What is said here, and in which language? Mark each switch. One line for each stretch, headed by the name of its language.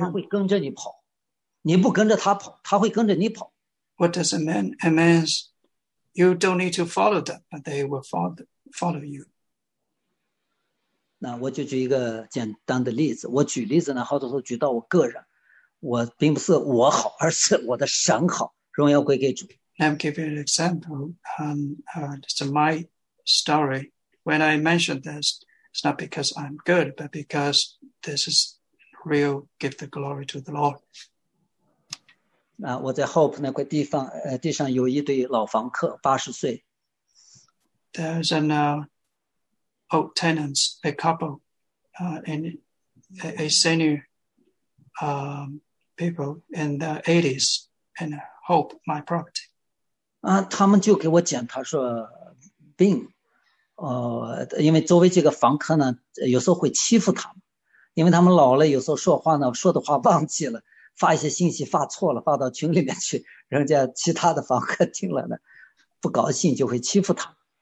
Chinese: 他会跟着你跑，你不跟着他跑，他会跟着你跑。
English: What does it mean? It means you don't need to follow them, but they will follow you.
Chinese: 那我就举一个简单的例子。我举例子呢，好多时候举到我个人，我并不是我好，而是我的神好。荣耀归给主。
English: I'm giving an example. So my story, when I mentioned this, it's not because I'm good, but because this is real. Give the glory to the Lord.
Chinese: 那我在 Hope 那块地方，地上有一堆老房客，八十岁。
English: There's an old tenants, a couple, and a senior, people in the 80s, and Hope my property.
Chinese: 啊，他们就给我讲，他说病，因为周围这个房客呢，有时候会欺负他们，因为他们老了，有时候说话呢，说的话忘记了。发一些信息发错了，发到群里面去，人家其他的房客听了呢，不高兴就会欺负他。